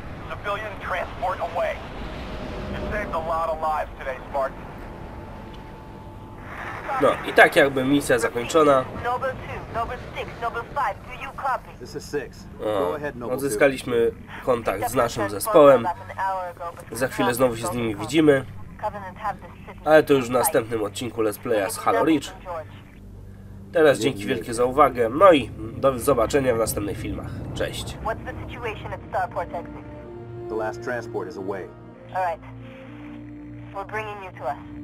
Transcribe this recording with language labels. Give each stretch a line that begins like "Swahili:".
English: Civilian transport away. You saved a lot of lives today, Spartan.
Polish: No, i tak jakby misja zakończona.
English: Noble 2, Noble 6, Noble 5, do you copy? This is 6. Go ahead, Noble 2.
Polish: Odzyskaliśmy kontakt z naszym zespołem. Za chwilę znowu się z nimi widzimy. Ale to już w następnym odcinku Let's Playa z Halo Reach. Teraz dzięki wielkie za uwagę. No i do zobaczenia w następnych filmach. Cześć.
English: What's the situation at Starport Exit? The last transport is away. All right. We're bringing you to us.